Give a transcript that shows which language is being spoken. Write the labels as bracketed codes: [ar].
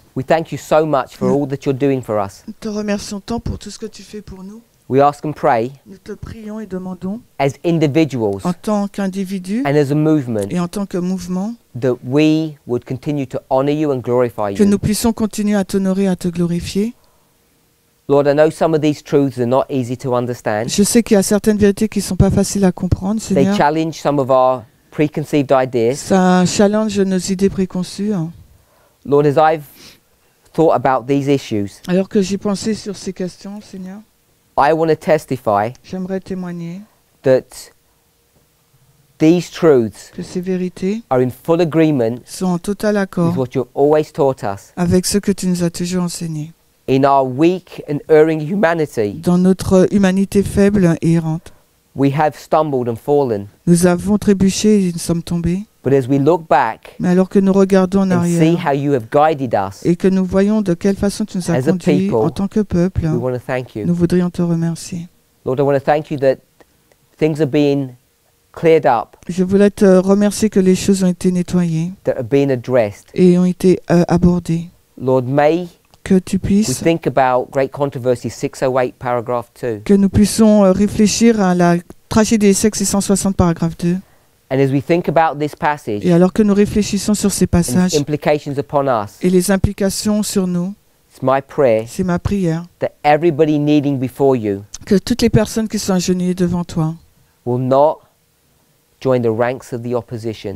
[en] We thank you so much for all that you're doing for us. [fr] Nous te remercions tant pour tout ce que tu fais pour nous. [en] We ask and pray. [fr] Nous te prions et demandons. [en] As individuals. [fr] En tant qu'individus. [en] And as a movement. [fr] Et en tant que mouvement. [en] That we would continue to honor you and glorify [fr] que Que nous puissions continuer à t'honorer et à te glorifier. [en] Lord, I know some of these truths are not easy to understand. [fr] Je sais qu'il y a certaines vérités qui ne sont pas faciles à comprendre, Seigneur. [en] They challenge some of our preconceived ideas. [fr] Ça challenge nos idées préconçues. [en] Lord, as I've thought about these issues, [fr] alors que j'ai pensé sur ces questions, Seigneur, [en] I want to testify, [fr] j'aimerais témoigner, [en] that these truths, [fr] que ces vérités, [en] are in full agreement, [fr] sont en total accord, [en] with what you've always taught us, [fr] avec ce que tu nous as toujours enseigné, [en] in our weak and erring humanity, [fr] dans notre humanité faible et errante, [en] we have stumbled and fallen, [fr] nous avons trébuché et nous sommes tombés. [en] But as we look back, [fr] mais alors que nous regardons en arrière, [en] see how you have guided us, [fr] et que nous voyons de quelle façon tu nous as conduits en tant que peuple, [en] we want to thank you. [fr] Nous voudrions te remercier. [en] Lord, I want to thank you that things are being cleared up. [fr] Je voulais te remercier que les choses ont été nettoyées, [en] that are being addressed, [fr] et ont été abordées. [en] Lord, may [fr] que tu puisses [en] we think about Great Controversy 608, paragraph 2. [fr] Que nous puissions réfléchir à la tragédie 660, paragraphe 2. [en] And as we think about this passage, [fr] et alors que nous réfléchissons sur ces passages [en] implications upon us, [fr] et les implications sur nous, [en] it's my prayer, [fr] c'est ma prière [en] that everybody kneeling before you, [fr] que toutes les personnes qui sont agenouillées devant toi [en] will not join the ranks of the opposition,